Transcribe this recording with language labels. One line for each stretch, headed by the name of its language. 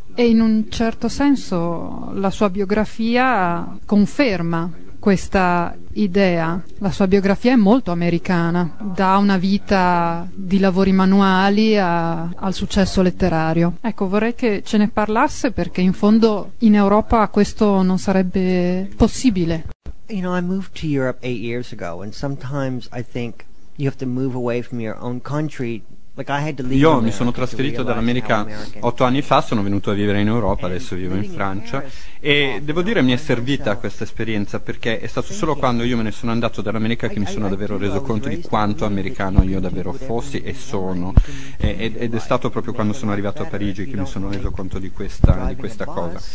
Italian: E in un certo senso la sua biografia conferma questa idea. La sua biografia è molto americana, da una vita di lavori manuali al successo letterario. Ecco, vorrei che ce ne parlasse, perché in fondo in Europa questo non sarebbe possibile.
English: You know, I moved to Europe 8 years ago, and sometimes I think you have to move away from your own country.
Italian: Io mi sono trasferito dall'America 8 anni fa, sono venuto a vivere in Europa, adesso vivo in Francia, e devo dire, mi è servita questa esperienza, perché è stato solo quando io me ne sono andato dall'America che mi sono davvero reso conto di quanto americano io davvero fossi e sono, ed è stato proprio quando sono arrivato a Parigi che mi sono reso conto di questa cosa.